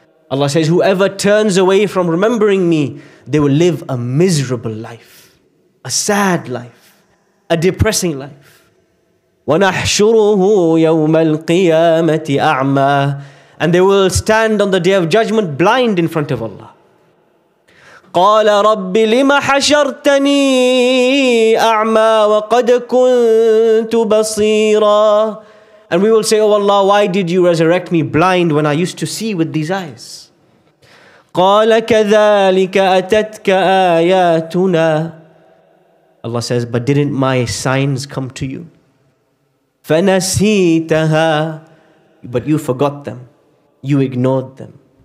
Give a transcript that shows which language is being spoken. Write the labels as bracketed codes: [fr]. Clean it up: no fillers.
[en] Allah says, whoever turns away from remembering me, they will live a miserable life, a sad life, a depressing life. [ar] وَنَحْشُرُهُ يَوْمَ الْقِيَامَةِ أَعْمَى. [en] And they will stand on the day of judgment blind in front of Allah. [ar] قَالَ رَبِّ لِمَ حَشَرْتَنِي أَعْمَى وَقَدْ كُنْتُ بَصِيرًا. [en] And we will say, oh Allah, why did you resurrect me blind when I used to see with these eyes? [ar] قَالَ كَذَلِكَ أَتَتْكَ آيَاتُنَا. [en] Allah says, but didn't my signs come to you? [ar] فَنَسِيتَهَا. [en] But you forgot them. You ignored them.